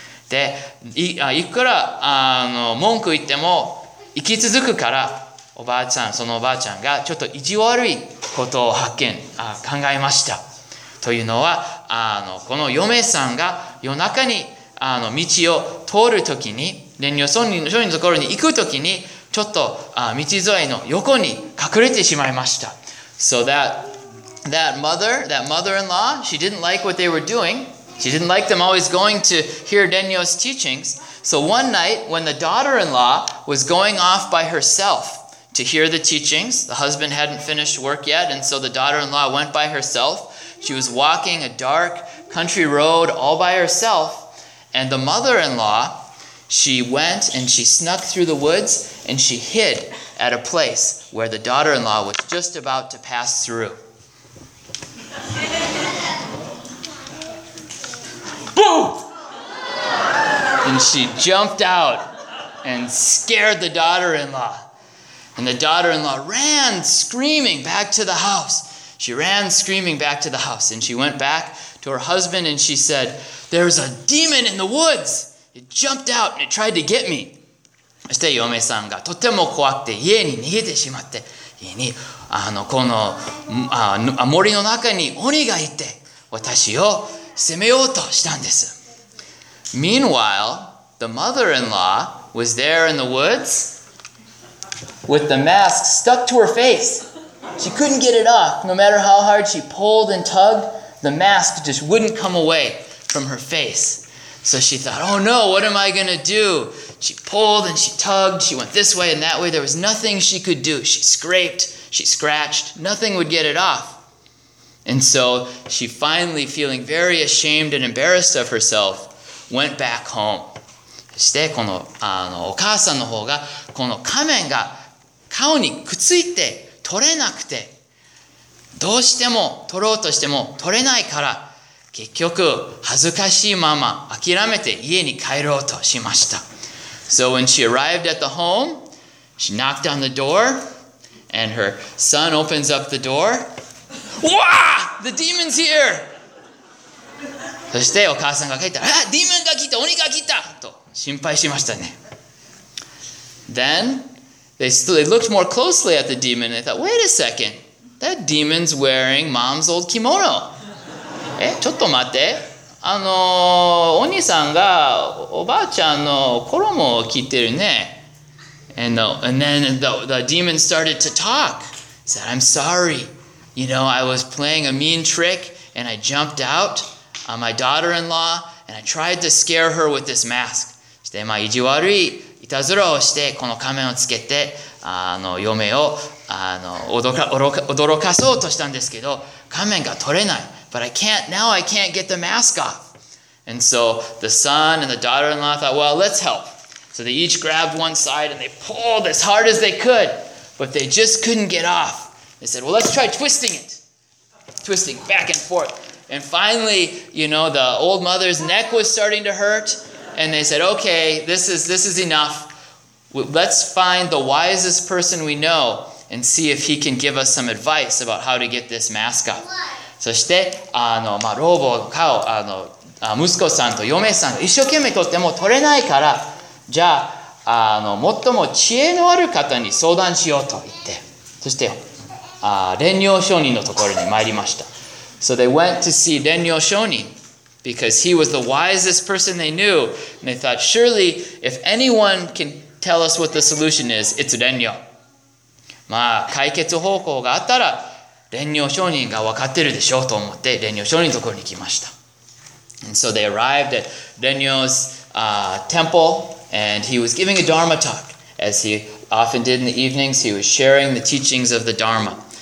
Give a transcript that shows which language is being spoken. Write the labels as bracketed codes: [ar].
[ja] で いくら文句言っても行き続くからおばあちゃん、そのおばあちゃんがちょっと意地悪いことを発見、考えました。というのは、この嫁さんが夜中に道を通るときに、蓮如上人のところに行くときに、ちょっと道沿いの横に隠れてしまいました。 [en] So that mother-in-law, she didn't like what they were doing. She didn't like them always going to hear 蓮如's teachings. So one night, when the daughter-in-law was going off by herself,to hear the teachings. The husband hadn't finished work yet, and so the daughter-in-law went by herself. She was walking a dark country road all by herself, and the mother-in-law, she went and she snuck through the woods, and she hid at a place where the daughter-in-law was just about to pass through. Boo! And she jumped out and scared the daughter-in-law. And the daughter-in-law ran screaming back to the house. She ran screaming back to the house. And she went back to her husband and she said, There's a demon in the woods. It jumped out and it tried to get me. [ja] そして嫁さんがとても怖くて家に逃げてしまって、家にこの森の中に鬼がいて、私を責めようとしたんです。 [en] Meanwhile, the mother-in-law was there in the woods. With the mask stuck to her face. She couldn't get it off. No matter how hard she pulled and tugged, the mask just wouldn't come away from her face. So she thought, oh no, what am I going to do? She pulled and she tugged. She went this way and that way. There was nothing she could do. She scraped, she scratched. Nothing would get it off. And so she finally, feeling very ashamed and embarrassed of herself, went back home. [ja] そしてこの、お母さんの方がこの仮面が顔にくっついて取れなくてどうしても取ろうとしても取れないから結局恥ずかしいまま諦めて家に帰ろうとしました。 [en] So when she arrived at the home, she knocked on the door and her son opens up the door. Wah! The demon's here! [ja] そしてお母さんが帰ったら、ディーモンが来た、鬼が来たと。心配しましたね。 [en] Then, they looked more closely at the demon and they thought, wait a second, that demon's wearing mom's old kimono. [ja] え、ちょっと待って。お兄さんがおばあちゃんの衣を着てるね。 [en] And then the demon started to talk. He said, I'm sorry. You know, I was playing a mean trick and I jumped out on my daughter-in-law and I tried to scare her with this mask. [ja] でまあ意地悪いいたずらをしてこの仮面をつけて嫁を驚かそうとしたんですけど仮面が取れない [en] But I can't get the mask off And so the son and the daughter-in-law thought Well, let's help So they each grabbed one side and they pulled as hard as they could But they just couldn't get off They said, well, let's try twisting it Twisting back and forth And finally, you know, the old mother's neck was starting to hurtAnd they said, okay, this is enough. Let's find the wisest person we know and see if he can give us some advice about how to get this mask off. [ja] そして、老婆の顔、息子さんと嫁さんが一生懸命取っても取れないから、じゃあ、最も知恵のある方に相談しようと言って。そして、蓮如上人のところに参りました。 [en] So they went to see 蓮如上人 because he was the wisest person they knew. And they thought, surely if anyone can tell us what the solution is, it's 蓮如。 [ja] まあ解決方向があったら蓮如上人が分かってるでしょうと思って蓮如上人のところに来ました。 [en] And so they arrived at 蓮如's temple, and he was giving a Dharma talk, as he often did in the evenings. He was sharing the teachings of the Dharma.